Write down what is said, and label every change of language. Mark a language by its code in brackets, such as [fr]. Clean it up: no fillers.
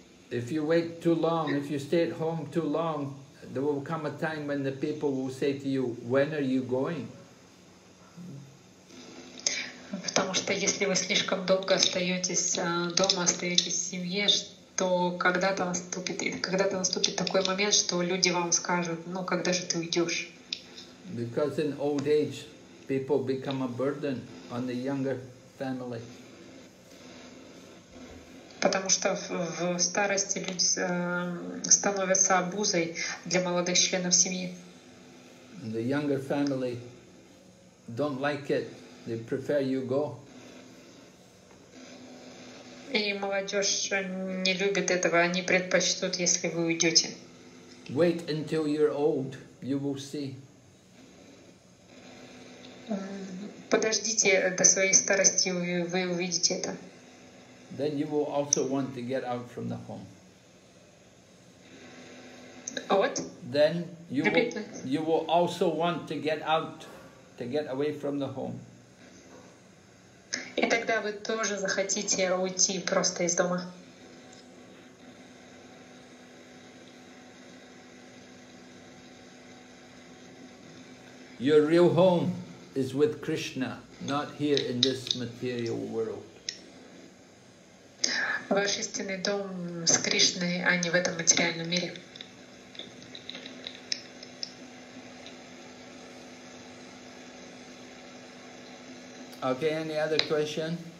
[en] If you wait too long, if you stay at home too long, there will come a time when the people will say to you, "When are you going?" [ru] Потому что если вы слишком долго остаетесь дома, остаетесь в семье, то когда-то наступит такой момент, что люди вам скажут, ну когда же ты уйдешь? [en] Because in old age, people become a burden on the younger family. [ru] Потому что в старости люди становятся обузой для молодых членов семьи. [en] The younger family don't like it. They prefer you go. [ru] И молодежь не любит этого. Они предпочтут, если вы уйдете. [en] Wait until you're old. You will see. [ru] Подождите до своей старости, вы увидите это. [en] Then you will also want to get out from the home. What? Then you will also want to get out, to get away from the home. [ru] И тогда вы тоже захотите уйти просто из дома. [en] Your real home is with Krishna, not here in this material world. [ru] Ваш истинный дом с Кришной, а не в этом материальном мире. [en] Okay, any other question?